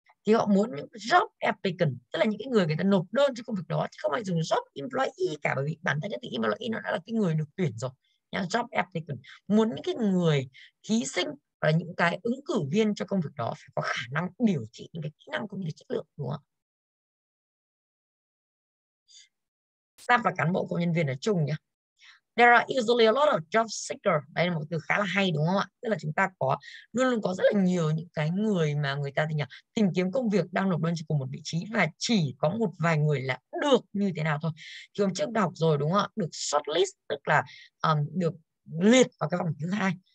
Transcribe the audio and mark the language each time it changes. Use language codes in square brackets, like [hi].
[vi] thì họ muốn những job applicant, tức là những cái người người ta nộp đơn cho công việc đó, chứ không phải dùng job employee cả, bởi vì bản thân cái từ employee nó đã là cái người được tuyển rồi. Job applicant muốn những cái người thí sinh và những cái ứng cử viên cho công việc đó phải có khả năng điều chỉnh những cái kỹ năng cũng như chất lượng, đúng không? Staff là cán bộ công nhân viên ở chung nhé. [en] There are usually a lot of job seekers. [vi] Đây là một từ khá là hay đúng không ạ? Tức là chúng ta có luôn luôn có rất là nhiều những cái người mà người ta thì nhỉ, tìm kiếm công việc đang nộp đơn cho cùng một vị trí và chỉ có một vài người là được như thế nào thôi. Thì hôm trước đọc rồi đúng không ạ? Được shortlist tức là được liệt vào cái vòng thứ hai.